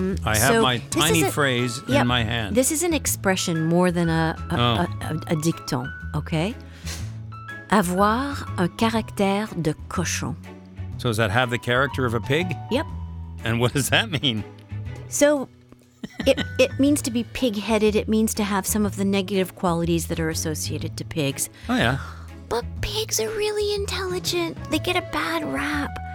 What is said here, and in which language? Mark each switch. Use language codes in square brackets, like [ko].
[en] I have my tiny phrase in my hand. This is an expression more than a dicton, okay? [fr] Avoir un caractère de cochon. [en] So does that have the character of a pig? Yep. And what does that mean? So it means to be pig-headed. It means to have some of the negative qualities that are associated to pigs. Oh, yeah. But pigs are really intelligent. They get a bad rap.